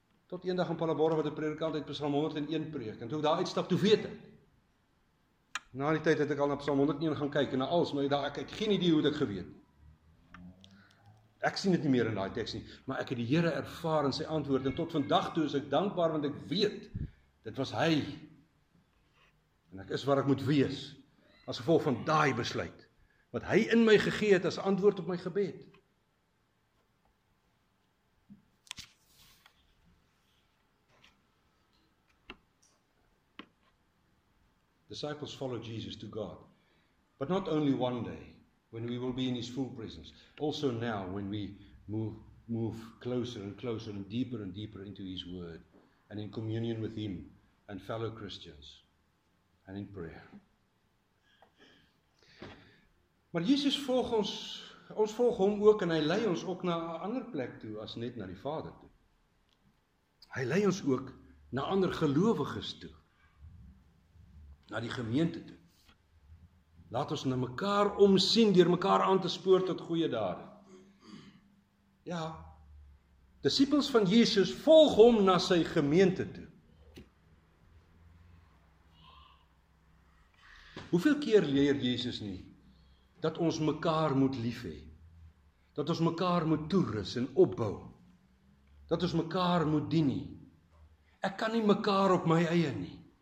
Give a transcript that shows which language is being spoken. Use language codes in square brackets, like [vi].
[af] Tot eendag in Palaborg wat 'n predikant uit Psalm 101 preek en toe daar uitstap toe weet ek. Na die tyd het ek al na Psalm 101 gaan kyk en na alles, maar daar ek het geen idee hoe dit geweet nie. Ek sien dit nie meer in daai teks nie, maar ek het die Here ervaar in sy antwoord en tot vandag toe is ek dankbaar want ek weet dit was hy. En ek is waar ek moet wees as gevolg van daai besluit wat hy in my gegee het as antwoord op my gebed. [en] Disciples follow Jesus to God, but not only one day when we will be in his full presence, also now when we move closer and closer and deeper into his word and in communion with him and fellow Christians and in prayer. [af] Maar Jesus volg ons volg hom ook en hy lei ons ook na 'n ander plek toe as net na die Vader toe. Hy lei ons ook na ander gelowiges toe, na die gemeente toe. Laat ons na mekaar omsien deur mekaar aan te spoor tot goeie dade. Ja, disippels van Jesus volg hom na sy gemeente toe. Hoeveel keer leer Jesus nie dat ons mekaar moet lief hê? Dat ons mekaar moet toerus en opbou? Dat ons mekaar moet dien nie? Ek kan nie mekaar op my eie nie.